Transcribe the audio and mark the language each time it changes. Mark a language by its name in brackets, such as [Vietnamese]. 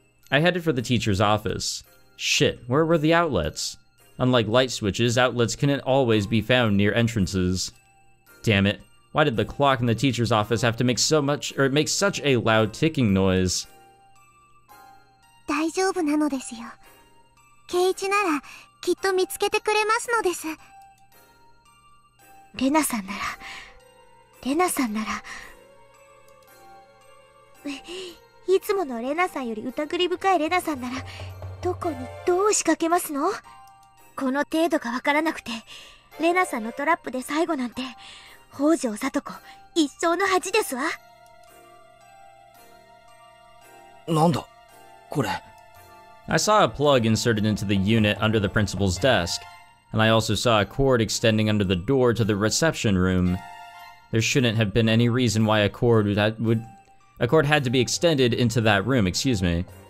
[English] I headed for the teacher's office. Shit, where were the outlets? Unlike light switches, outlets couldn't always be found near entrances. Damn it. Why did the clock in the teacher's office have to make so much, or make such a loud ticking noise? [Japanese] 大丈夫なのですよ。ケイチならきっと見つけてくれますのです。レナさんなら、レナさんなら、いつものレナさんより疑り深いレナさんなら、どこにどう仕掛けますの？この程度がわからなくて、レナさんのトラップで最後なんて、北条さと子、一生の恥ですわ。なんだ、これ。 [English] I saw a plug inserted into the unit under the principal's desk, and I also saw a cord extending under the door to the reception room. There shouldn't have been any reason why a cord had to be extended into that room, excuse me.